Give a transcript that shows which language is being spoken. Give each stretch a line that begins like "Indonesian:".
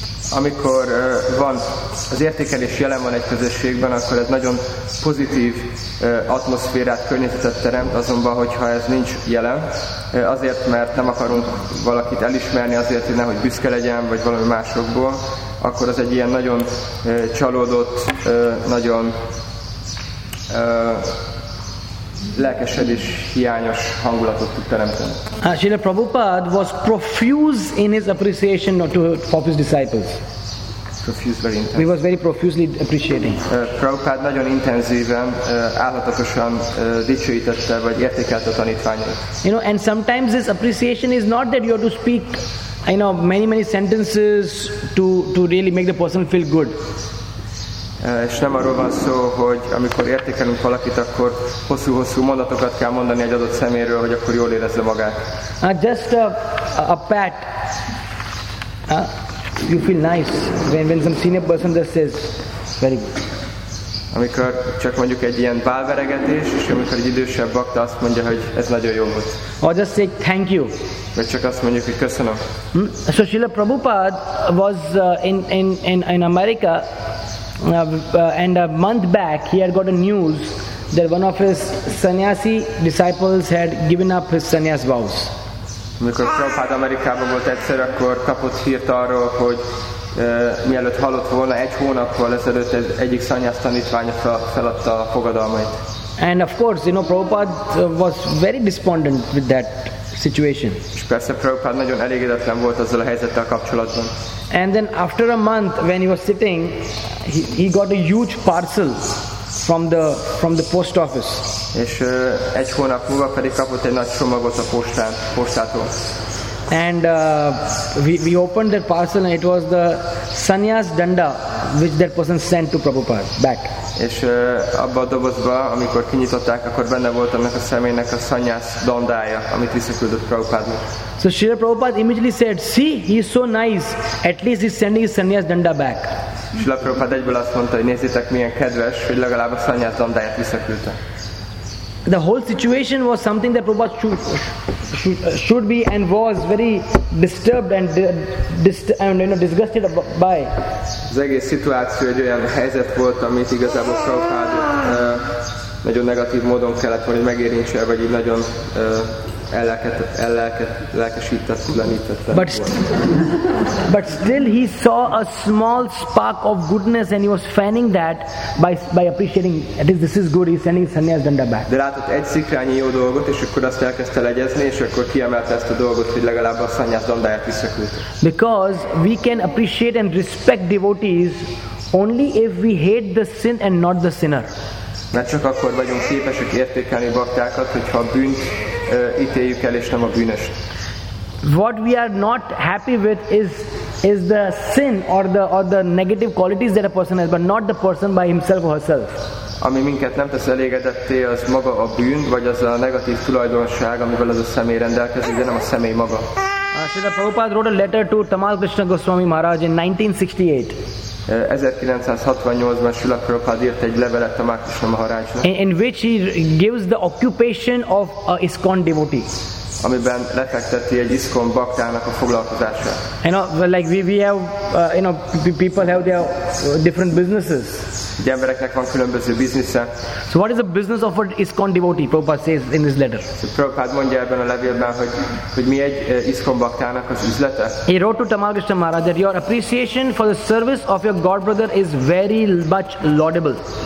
Hungarian: Amikor van az értékelés jelen van egy közösségben, akkor ez nagyon pozitív atmoszférát, környezetet teremt, azonban, hogyha ez nincs jelen, azért, mert nem akarunk valakit elismerni, azért, hogy nehogy büszke legyen, vagy valami másokból, akkor az egy ilyen nagyon csalódott, nagyon lelkesedés hiányos hangulatot tud teremteni.
English: Srila Prabhupada was profuse in his appreciation for his disciples. Profuse, he was very profusely appreciating.
Hungarian: Prabhupada nagyon intenzíven, állhatatosan dicsőítette vagy értékelte a tanítványait.
English: You know, and sometimes this appreciation is not that you have to speak, you know, many sentences to really make the person feel good.
Hungarian: És nem arról van szó, hogy amikor értékelünk valakit, akkor hosszú-hosszú mondatokat kell mondani egy adott szeméről, hogy akkor jól érezze magát.
English: Just a pat. You feel nice when some senior person just says, very good.
Hungarian: Amikor csak mondjuk egy ilyen bálveregetés, és amikor egy idősebb bakta azt mondja, hogy ez nagyon jó volt.
English: Or just say thank you.
Hungarian: Vagy csak azt mondjuk, hogy köszönöm.
English: So Srila Prabhupada was in America, and a month back he had got a news that one of his sannyasi disciples had given up his sannyas vows.
Hungarian: Amikor Prabhupada Amerikában volt egyszer, akkor kapott hírt arról, hogy mielőtt halott volna, egy hónappal ezelőtt egyik szanyász tanítványa feladta a fogadalmait.
English: And of course, you know, Prabhupada was very despondent with that situation.
Hungarian: És persze Prabhupada nagyon elégedetlen volt azzal a helyzettel kapcsolatban.
English: And then after a month, when he was sitting, he got a huge parcel from the post office.
Hungarian: És egy hónap múlva pedig kapott egy nagy csomagot a postától.
English: And we opened that parcel and it was the sannyas danda which that person sent to Prabhupada back.
Hungarian: És abba a dobozba, amikor kinyitották, akkor benne volt annak a személynek a sannyas dandája, amit visszaküldött Prabhupádnak.
English: So Srila Prabhupada immediately said, see, he is so nice, at least he is sending his sannyas danda back.
Hungarian: Srila Prabhupada egyből azt mondta, hogy nézzétek, milyen kedves, hogy legalább a sannyas dandáját visszaküldte.
English: The whole situation was something that Prabhupada should be and was very disturbed and disgusted by.
Hungarian: Az egész szituáció egy olyan helyzet volt, amit igazából Prabhupada nagyon negatív módon kellett volna, hogy megérintse, vagy így nagyon ellelkesített, ellenítette.
English: But still he saw a small spark of goodness and he was fanning that by appreciating, at least this is good, he's sending sannyas danda back.
Hungarian: De látott egy szikrányi jó dolgot, és akkor azt elkezdte legyezni, és akkor kiemelte ezt a dolgot, hogy legalább a sannyas dandáját visszaküldte.
English: Because we can appreciate and respect devotees only if we hate the sin and not the sinner.
Hungarian: Mert csak akkor vagyunk képesek értékelni baktákat, hogyha a bűnt ítéljük el, és nem a bűnöst.
English: What we are not happy with is the sin or the negative qualities that a person has, but not the person by himself or herself.
Hungarian: Ami minket nem tesz elégedetté, az maga a bűn, vagy az a negatív tulajdonság, amivel az a személy rendelkezik, de nem a személy maga.
English: Srila Prabhupada wrote a letter to Tamal Krishna Goswami Maharaj in 1968.
Hungarian: 1968-ban Srila Prabhupada írt egy levelet Tamal Krishna Maharajnak.
English: In which he gives the occupation of a ISKCON devotee.
Hungarian: Amiben lefekteti egy ISKCON baktának a foglalkozását.
English: You know, like we have, people have their different businesses.
Hungarian: Ugye embereknek van különböző biznisze.
English: So what is the business of an ISKCON devotee, Prabhupada says in his letter.
Hungarian: So Prabhupada mondja ebben a levélben, hogy mi egy ISKCON baktának az üzlete.
English: He wrote to Tamal Krishna Maharaj that your appreciation for the service of your god brother is very much laudable.